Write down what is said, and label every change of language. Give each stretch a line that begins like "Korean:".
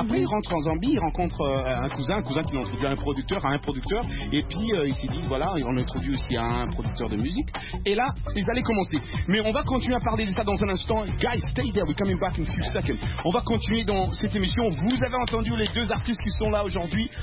French: Après, il rentre en Zambie, il rencontre un cousin qui l'introduit à un producteur. Et puis, il s'est dit, voilà, on introduit aussi à un producteur de musique. Et là, ils allaient commencer. Mais on va continuer à parler de ça dans un instant.
English: Guys, stay there, we're coming back in a few seconds.
French: On va continuer dans cette émission. Vous avez entendu les deux artistes qui sont là aujourd'hui.